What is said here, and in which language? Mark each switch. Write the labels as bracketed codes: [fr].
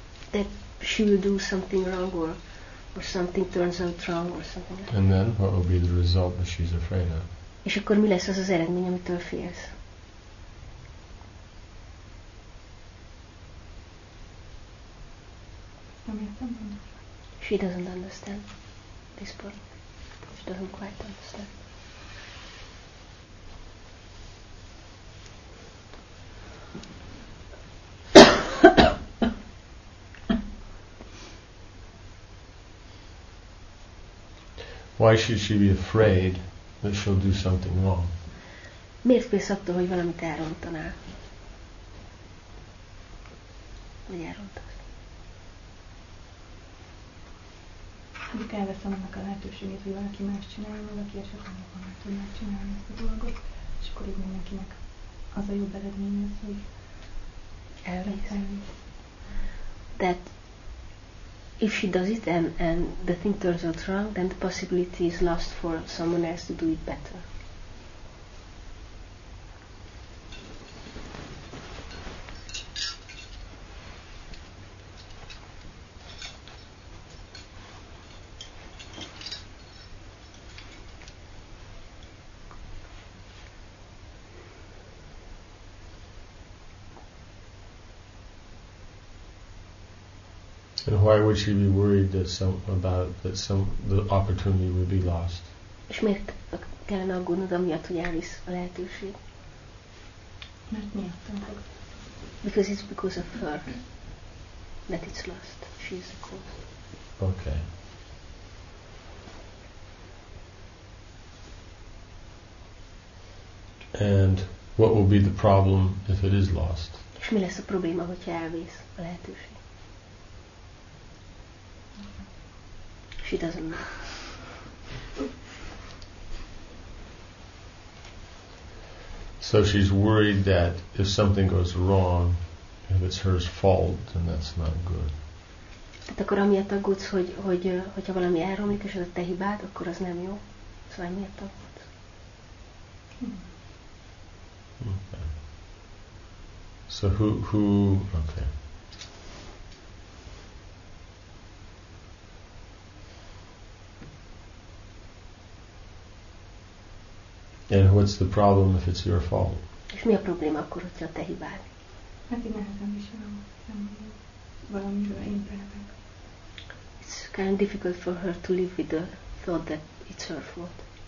[en] That she will do something wrong, or something turns out wrong, or something like that. And then what will be the result that she's afraid of? [hu] És akkor mi lesz az az eredmény, amitől félsz? [en] She doesn't understand this part. She doesn't quite understand. Why should she be afraid that she'll do something wrong? [hu] Miért félsz attól, hogy valamit elrontanál? Vagy elrontanál? Mondjuk elveszem annak a lehetőségét, hogy valaki más csinálja, valaki esetleg jobban meg tudná csinálni ezt a dolgot, és akkor így mindenkinek az a jobb eredmény az, hogy elvész. [en] That if she does it and the thing turns out wrong, then the possibility is lost for someone else to do it better. And why would she be worried that the opportunity would be lost? [hu] És miért kellene aggódnod amiatt, hogy elvisz a lehetőség? Mert miatt? [en] Because it's because of her that it's lost. She is the cause. Okay. And what will be the problem if it is lost? [hu] És mi lesz a probléma, hogyha elvisz a lehetőség? [en] She doesn't know. So she's worried that if something goes wrong, if it's her fault, then that's not good. [hu] Hát akkor amiatt aggódsz, hogyha valami elromlik, és ez a te hibád, akkor az nem jó. Szóval miért aggódsz? [en] So who okay. And what's the problem if it's your fault? [hu] És mi a probléma akkor, hogyha te hibád? Hát én nehezen viselem, valamivel én tehetek. [en] It's kind of difficult for her to live with the thought that it's her fault.